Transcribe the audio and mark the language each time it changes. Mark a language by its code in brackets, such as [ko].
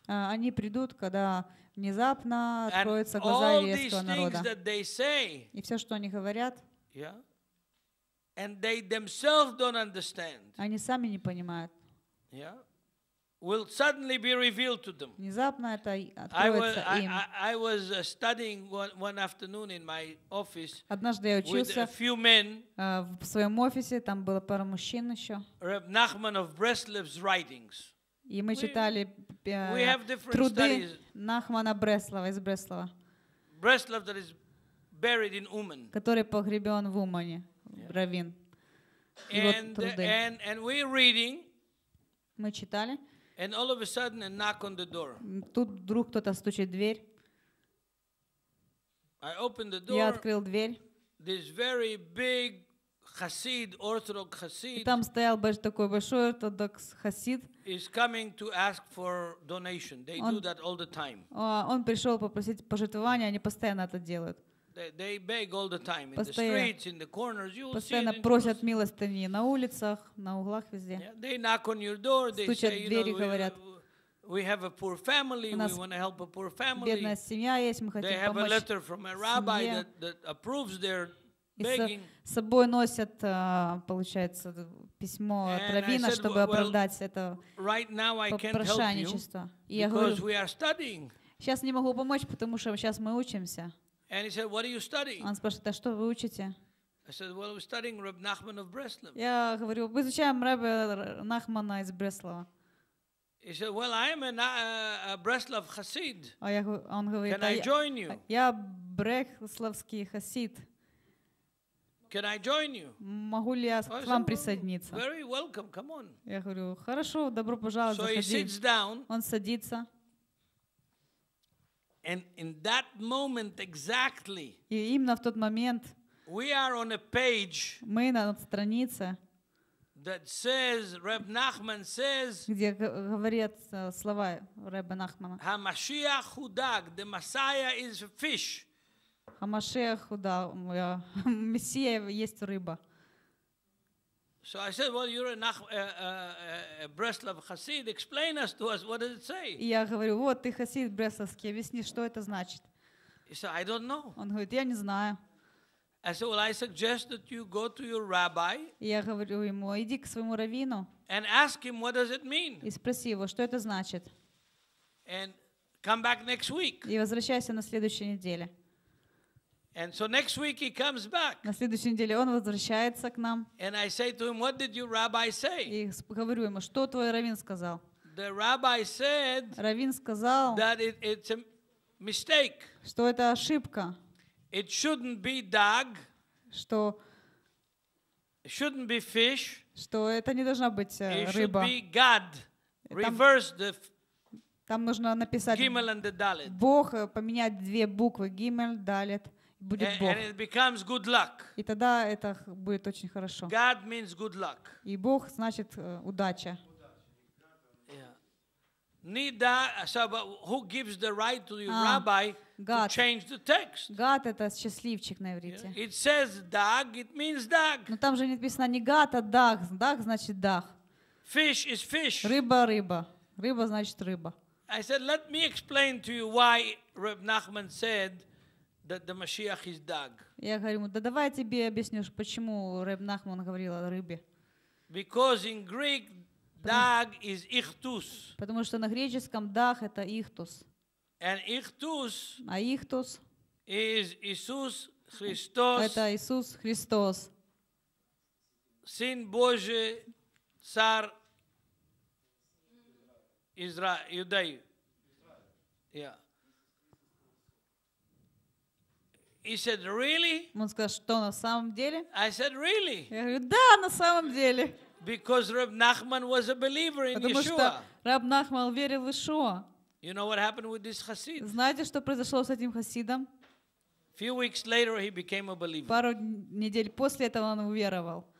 [ru] Они придут, когда внезапно откроются глаза еврейского народа. [en] All these things that they say. [ru] И все, что они говорят. [en] Yeah. And they themselves don't understand. [ru] Они сами не понимают. [en] Yeah. will suddenly be revealed to them. I was studying one afternoon in my office with a few men. [ru] В своем офисе там было пару мужчин еще. [en] Reb Nachman of Breslov's writings. [ru] И мы читали труды Нахмана Бреслова из Бреслова. [en] Breslov that is buried in Uman. [ru] Который погребен в Умане, раввин. [en] And we're reading. [ru] Мы читали. [en] And all of a sudden, a knock on the door. [ru] Тут вдруг кто-то стучит в дверь. [en] I opened the door. [ru] Я открыл дверь. [en] This very big Hasid, Orthodox Hasid. [ru] И там стоял такой большой ортодокс Хасид. [en] Is coming to ask for donation. They do that all the time. [ru] Он пришел попросить пожертвования. Они постоянно это делают. [en] They beg all the time in the streets, in the corners. You'll see. [ru] Постоянно просят милостыни на улицах, на углах везде. [en] They knock on your door. [ru] Стучат в двери, говорят. [en] We have a poor family. We want to help a poor family. [ru] Бедная семья есть, мы хотим помочь. [en] They have a letter from a rabbi that approves their begging. [ru] С собой носят, получается, письмо от раввина, чтобы оправдать это попрошайничество. И я говорю, сейчас не могу помочь, потому что сейчас мы учимся. [en] And he said, "What are you studying?" [ru] Он спрашивает, а что вы учите? [en] I said, "Well, we're studying Reb Nachman of Breslov." [ru] Я говорю, мы изучаем Рабби Нахмана из Бреслова. [en] He said, "Well, I am a Breslov Hasid." [ru] Он говорит, [en] "Can I join you?" [ru] Я Бреславский Хасид. [en] Can I join you? [ru] Могу ли я к вам присоединиться? [en] Very welcome. Come on. [ru] Я говорю, хорошо, добро пожаловать. [en] So he sits down. [ru] Он садится. [en] And in that moment exactly. [ru] И именно в тот момент. [en] We are on a page. [ru] Мы на странице. [en] That says Reb Nachman says. [ru] Где говорят слова Реба Нахмана. [en] HaMashiach Hudag, the Messiah is a fish. [ru] HaMashiach Hudag, Мессия есть рыба. [en] So I said, well, you're a Breslov Hasid. Explain us to us. What does it say? [ru] Я говорю, вот ты Хасид Бресловский. Объясни, что это значит. [en] He said, I don't know. [ru] Он говорит, я не знаю. [en] I said, well, I suggest that you go to your rabbi. [ru] Я говорю ему, иди к своему раввину. [en] And ask him, what does it mean? [ru] И спроси его, что это значит. [en] And come back next week. [ru] И возвращайся на следующей неделе. [en] And so next week he comes back. [ru] На следующей неделе он возвращается к нам. [en] And I say to him, "What did your rabbi say?" [ru] И говорю ему, что твой раввин сказал? [en] The rabbi said. [ru] Раввин сказал. [en] That it's a mistake. [ru] Что это ошибка? [en] It shouldn't be dog. [ru] Что? [en] It shouldn't be fish. [ru] Что это не должна быть рыба? [en] It should be God. Reverse the. [ru] Там нужно написать. [en] Gimel and the Dalet. [ru] Бог поменять две буквы Gimel Dalet. Будет Бог. [en] And it becomes good luck. [ru] И тогда это будет очень хорошо. [en] God means good luck. [ru] И Бог значит удача. [en] Nida, so but who gives the right to your rabbi to change the text? [ru] God, это счастливчик на иврите. [en] It says dag, it means dag. [ru] Но там же не написано не гад, а даг. Даг значит даг. [en] Fish is fish. [ru] Рыба рыба. Рыба значит рыба. [en] I said, let me explain to you why Reb Nachman said. That the Mashiach is dog. [ru] Я говорю ему, да давай я тебе объясню, почему Реб Нахман говорил о рыбе. [en] Because in Greek, dog is ichthus. [ru] Потому что на греческом dag это ichthus. [en] And ichthus. [ru] А ichthus. [en] Is Иисус Христос. [ru] Это Иисус Христос. Сын Божий, царь Израиля, Иудеи. [en] Yeah. He said, "Really?" [ru] Он сказал, что на самом деле? [en] I said, "Really?" [ru] Я говорю, да, на самом деле. [en] Because Reb Nachman was a believer in Yeshua. [ru] Потому что Раб Нахман верил в Иешуа. [en] You know what happened with this Hasid? [ru] Знаете, что произошло с этим Хасидом? [en] Few weeks later, he became a believer. [ru] Пару недель после этого он уверовал.